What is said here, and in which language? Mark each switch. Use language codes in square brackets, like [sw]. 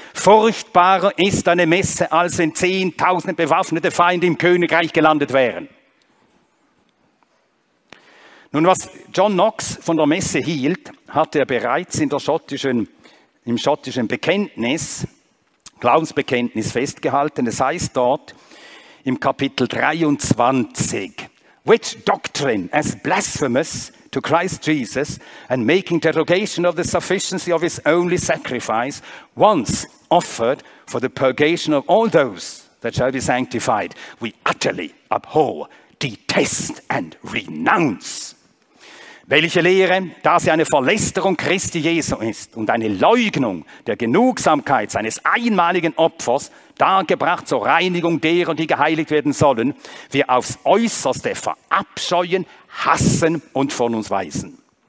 [de] Furchtbarer ist eine Messe, als wenn 10.000 bewaffnete Feinde im Königreich gelandet wären. Nun, was John Knox von der Messe hielt, hatte er bereits im schottischen Bekenntnis, Glaubensbekenntnis festgehalten. Es heißt dort im Kapitel 23, [en] Which doctrine as blasphemous to Christ Jesus and making derogation of the sufficiency of his only sacrifice once offered for the purgation of all those that shall be sanctified, we utterly abhor, detest and renounce. [de] Welche Lehre, da sie eine Verlästerung Christi Jesu ist und eine Leugnung der Genugsamkeit seines einmaligen Opfers, dargebracht zur Reinigung derer, die geheiligt werden sollen, wir aufs Äußerste verabscheuen, hassen und von uns weisen.